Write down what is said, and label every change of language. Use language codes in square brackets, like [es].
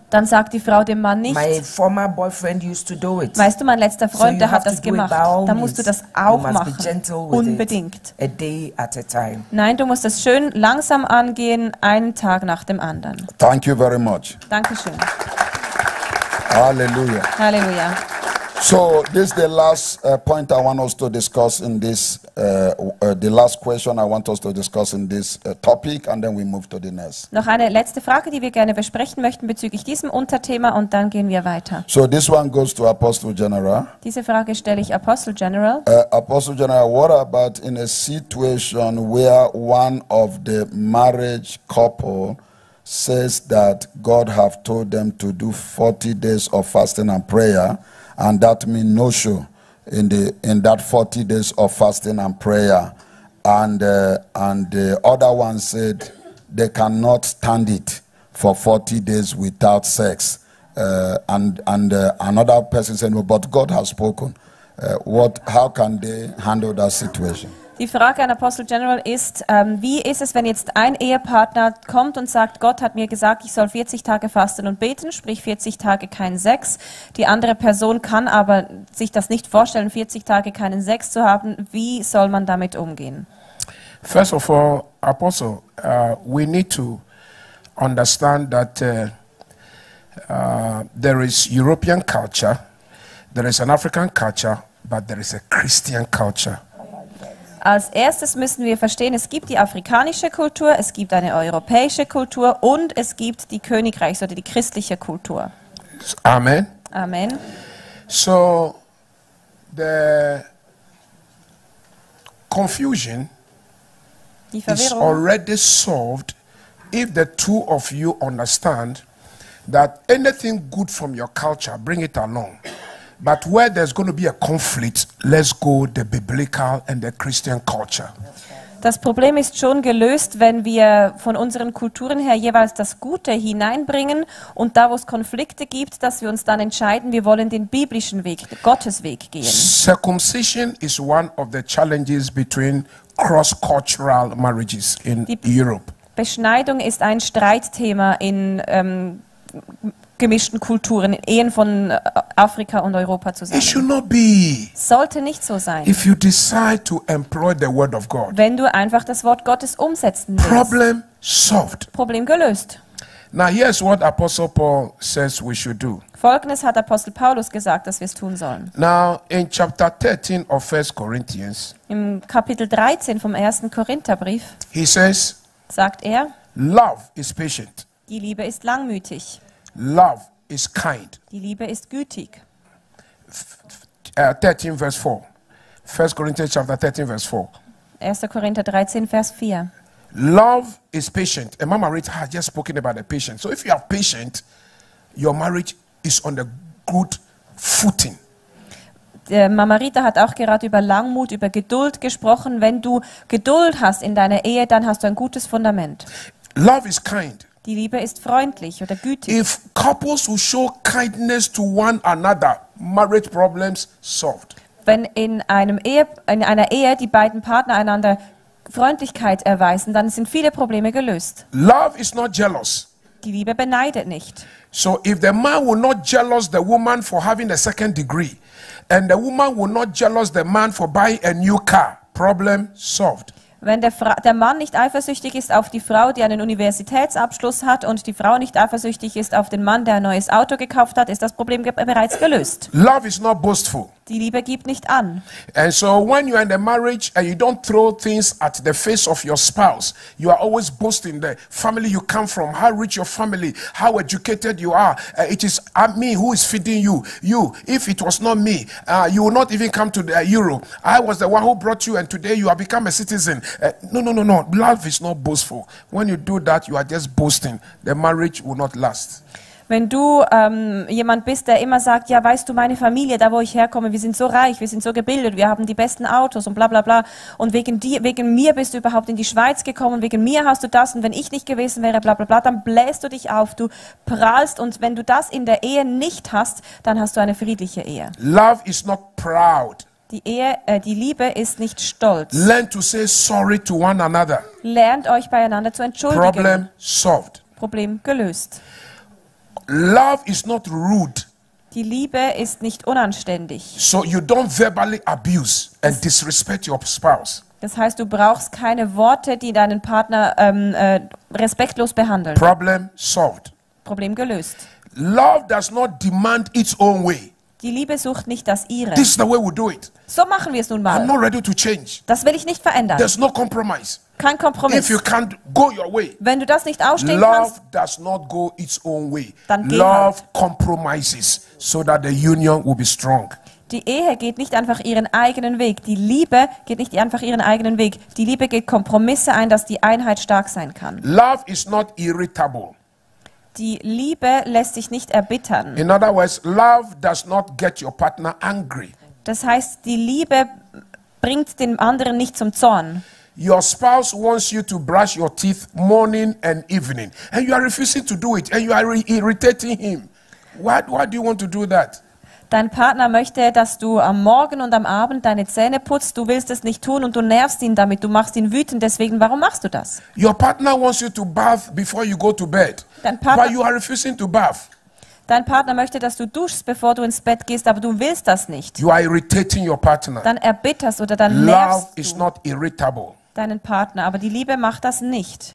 [de] dann sagt die Frau dem Mann nicht, [en] My former boyfriend used to do it. [de] Weißt du, mein letzter Freund, so der hat das gemacht. Dann musst du das auch [en] you [de] machen. [en] Must be gentle with [de] Unbedingt. [en] It, a day at a time. [de] Nein, du musst das schön langsam angehen, einen Tag nach dem anderen. [en] Thank you very much. [de] Dankeschön. [en] Hallelujah. [de] Hallelujah. [en] So this is the last point I want us to discuss in this, the last question I want us to discuss in this topic, and then we move to the next. [de] Noch eine letzte Frage, die wir gerne besprechen möchten bezüglich diesem Unterthema, und dann gehen wir weiter. [en] So this one goes to Apostle General. [de] Diese Frage stelle ich Apostle General. [en] Apostle General, what about in a situation where one of the marriage couple says that God have told them to do 40 days of fasting and prayer, and that means no show in that 40 days of fasting and prayer, and the other one said they cannot stand it for 40 days without sex, another person said, well, but God has spoken. How can they handle that situation? [de] Die Frage an Apostel General ist, wie ist es, wenn jetzt ein Ehepartner kommt und sagt, Gott hat mir gesagt, ich soll 40 Tage fasten und beten, sprich 40 Tage keinen Sex. Die andere Person kann aber sich das nicht vorstellen, 40 Tage keinen Sex zu haben. Wie soll man damit umgehen? [en] First of all, Apostle, we need to understand that there is European culture, there is an African culture, but there is a Christian culture. [de] Als erstes müssen wir verstehen, es gibt die afrikanische Kultur, es gibt eine europäische Kultur und es gibt die Königreichs- oder die christliche Kultur. [en] Amen. [de] Amen. [en] So, the confusion is already solved if the two of you understand that anything good from your culture, bring it along. But where there's going to be a conflict, let's go the biblical and the Christian culture. [de] Das Problem ist schon gelöst, wenn wir von unseren Kulturen her jeweils das Gute hineinbringen und da, wo es Konflikte gibt, dass wir uns dann entscheiden, wir wollen den biblischen Weg, Gottes Weg gehen. [en] Circumcision is one of the challenges between cross-cultural marriages in Europe. [de] Beschneidung ist ein Streitthema in gemischten Kulturen, Ehen von Afrika und Europa zusammen. [en] It should not be. [de] Sollte nicht so sein. [en] If you decide to employ the word of God. [de] Wenn du einfach das Wort Gottes umsetzen willst. [en] Problem solved. [de] Problem gelöst. [en] Now here's what Apostle Paul says we should do. [de] Folgendes hat Apostel Paulus gesagt, dass wir es tun sollen. [en] Now in chapter 13 of 1 Corinthians. [de] Im Kapitel 13 vom 1. Korintherbrief. [en] He says. [de] Sagt er. [en] Love is patient. [de] Die Liebe ist langmütig. [en] Love is kind. [de] Die Liebe ist gütig. [en] 13 verse 4. 1 Corinthians chapter 13 verse 4. [de] 1. Korinther 13 Vers 4. [en] Love is patient. And Mama Rita has just spoken about the patience. So if you are patient, your marriage is on a good footing. [de] Mama Rita hat auch gerade über Langmut, über Geduld gesprochen. Wenn du Geduld hast in deiner Ehe, dann hast du ein gutes Fundament. [en] Love is kind. [de] Die Liebe ist freundlich oder gütig. [en] If couples who show kindness to one another, marriage problems solved. [de] Wenn in einer Ehe die beiden Partner einander Freundlichkeit erweisen, dann sind viele Probleme gelöst. [en] Love is not jealous. [de] Die Liebe beneidet nicht. [en] So if the man will not jealous the woman for having a second degree and the woman will not jealous the man for buying a new car, problem solved. [de] Wenn der Mann nicht eifersüchtig ist auf die Frau, die einen Universitätsabschluss hat, und die Frau nicht eifersüchtig ist auf den Mann, der ein neues Auto gekauft hat, ist das Problem bereits gelöst. [en] Love is not boastful. [de] Die Liebe gibt nicht an. [en] And so when you are in a marriage and you don't throw things at the face of your spouse, you are always boasting the family you come from, how rich your family, how educated you are. It is me who is feeding you. You, if it was not me, you would not even come to the Euro. I was the one who brought you and today you have become a citizen. No. Love is not boastful. When you do that, you are just boasting. The marriage will not last. [de] Wenn du jemand bist, der immer sagt, ja, weißt du, meine Familie, da wo ich herkomme, wir sind so reich, wir sind so gebildet, wir haben die besten Autos und bla bla bla, und wegen mir bist du überhaupt in die Schweiz gekommen, wegen mir hast du das, und wenn ich nicht gewesen wäre, bla bla bla, dann bläst du dich auf, du prahlst, und wenn du das in der Ehe nicht hast, dann hast du eine friedliche Ehe. [en] Love is not proud. [de] Die Liebe ist nicht stolz. [en] Learn to say sorry to one another. [de] Lernt euch beieinander zu entschuldigen. [en] Problem solved. [de] Problem gelöst. [en] Love is not rude. [de] Die Liebe ist nicht unanständig. [en] So you don't verbally abuse and disrespect your spouse. [de] Das heißt, du brauchst keine Worte, die deinen Partner respektlos behandeln. [en] Problem solved. [de] Problem gelöst. [en] Love does not demand its own way. [de] Die Liebe sucht nicht das ihre. [en] This is the way we do it. [de] So machen wir es nun mal. [en] I'm not ready to change. [de] Das will ich nicht verändern. [en] There's no compromise. [de] Kein Kompromiss. [en] If you can't go your way, [de] wenn du das nicht ausstehen [en] love [de] kannst, [en] does not go its own way. [de] Dann geh [en] love [de] halt. [en] Compromises so that the union will be strong. [de] Die Ehe geht nicht einfach ihren eigenen Weg. Die Liebe geht nicht einfach ihren eigenen Weg. Die Liebe geht Kompromisse ein, dass die Einheit stark sein kann. [en] Love is not irritable. [de] Die Liebe lässt sich nicht erbittern. [en] In other words, love does not get your partner angry. [de] Das heißt, die Liebe bringt den anderen nicht zum Zorn. [en] Your spouse wants you to brush your teeth morning and evening, and you are refusing to do it, and you are irritating him. Why do you want to do that? [de] Dein Partner möchte, dass du am Morgen und am Abend deine Zähne putzt. Du willst es nicht tun und du nervst ihn damit. Du machst ihn wütend. Deswegen, warum machst du das? [en] Your partner wants you to bath before you go to bed. [de] Dein Partner, [en] but you are refusing to bath. [de] Dein Partner möchte, dass du duschst, bevor du ins Bett gehst, aber du willst das nicht. [en] You are irritating your partner. [de] Dann erbitterst oder dann [en] love [de] nervst du. [en] Is not irritable. [de] Deinen Partner, aber die Liebe macht das nicht.